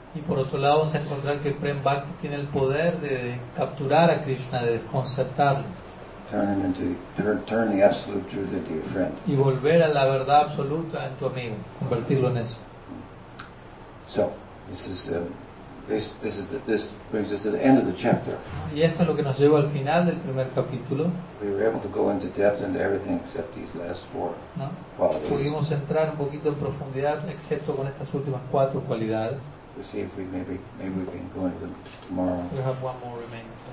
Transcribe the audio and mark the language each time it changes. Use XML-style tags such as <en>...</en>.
<es>Y por otro lado vamos a encontrar que Prem Bhakti tiene el poder de capturar a Krishna, de desconcertarlo.</es> <en>Turn the absolute truth into your friend.</en> <es>Y volver a la verdad absoluta en tu amigo, convertirlo en eso.</es> <en>So, this brings us to the end of the chapter.</en> <es>Y esto es lo que nos lleva al final del primer capítulo.</es> <en>We were able to go into depth into everything except these last four qualities.</en> <es>Pudimos entrar un poquito en profundidad excepto con estas últimas cuatro cualidades.</es> <en>We'll see if we maybe we can go into them tomorrow. We have one more remaining.</en>